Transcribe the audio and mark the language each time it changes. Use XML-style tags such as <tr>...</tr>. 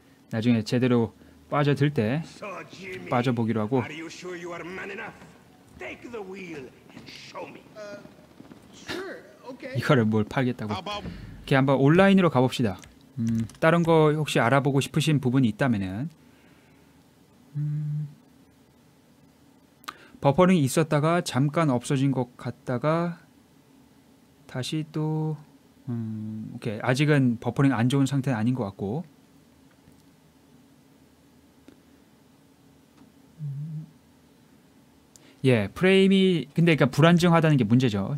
<ko>나중에 제대로 빠져들 때 so, Jimmy, 빠져보기로 하고</ko> <en>Are you sure you are man enough? Take the wheel and show me. Sure, okay.</en> <ko>이거를 뭘 팔겠다고. Okay, 한번 온라인으로 가봅시다. 다른 거 혹시 알아보고 싶으신 부분이 있다면은 버퍼링 있었다가 잠깐 없어진 것 같다가 다시 또 오케이 아직은 버퍼링 안 좋은 상태는 아닌 것 같고 예 프레임이 근데 그러니까 불안정하다는 게 문제죠.</ko>